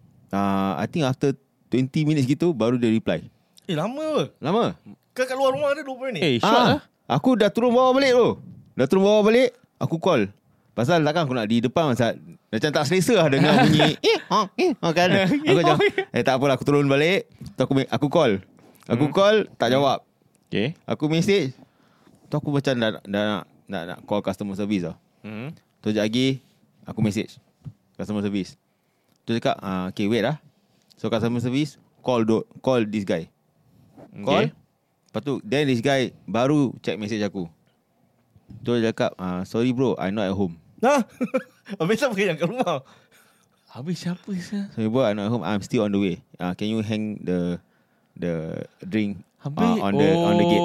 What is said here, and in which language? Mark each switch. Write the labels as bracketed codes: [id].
[en] I think after 20 minutes [ms] gitu baru dia [en] reply. [ms] Lama. Kau kat luar rumah dia 20 minit. [en] Short lah. [ms] Aku dah turun bawah balik tu. Dah turun bawah balik. aku call. Pasal takkan aku nak di depan masa macam tak selesa lah dengar bunyi. Kan? Aku jawab, eh tak apalah aku turun balik. Aku call. Aku call, tak jawab. Okay. Aku message. Tu aku macam dah nak call customer service lah. Tu sekejap lagi, aku message customer service. Tu cakap, [en] okay wait [ms] lah. [en] So customer service, call this guy. Call. Okay. [ms] Lepas tu, [en] then this guy [ms] baru check message aku. Tu dia cakap, [en] sorry bro, I not at home. [ms] Nah, habis siapa yang kat rumah? Habis siapa sah? [en] Sorry bro, I not at home. I'm still on the way. Can you hang the drink on the gate?